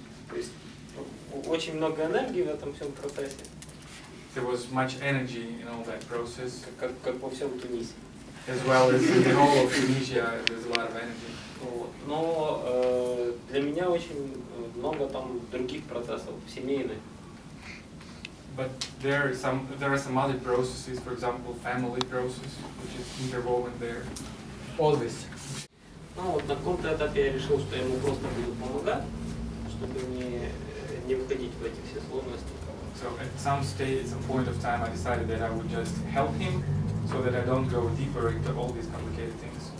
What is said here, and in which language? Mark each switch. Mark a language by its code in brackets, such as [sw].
[ru] То есть очень много энергии в этом всем процессе. [en] There was much energy in all that process. [ru] Как во всем Тунисе. [en] As well as in the whole of Tunisia, there's a lot of energy. [ru] Но для меня очень много там других процессов семейных. [en] But there are some other processes, for example, family process, which is interwoven there. All this. [ru] Ну вот на каком-то этапе я решил, что я ему просто буду помогать, чтобы не выходить в эти все сложности. [en] So at some stage, at some point of time, I decided that I would just help him, so that I don't go deeper into all these complicated things.